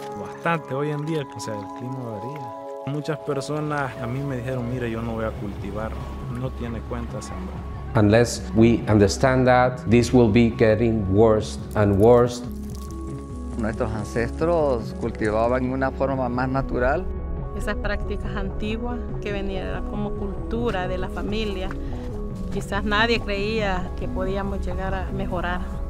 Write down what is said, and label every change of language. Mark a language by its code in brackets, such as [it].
[es] Bastante hoy en día, o sea, el clima varía. Muchas personas a mí me dijeron, mire, yo no voy a cultivar, no tiene cuenta sembrar. [en] Unless we understand that, this will be getting worse and worse. [es] Nuestros ancestros cultivaban de una forma más natural. Esas prácticas antiguas que venían como cultura de la familia, quizás nadie creía que podíamos llegar a mejorar.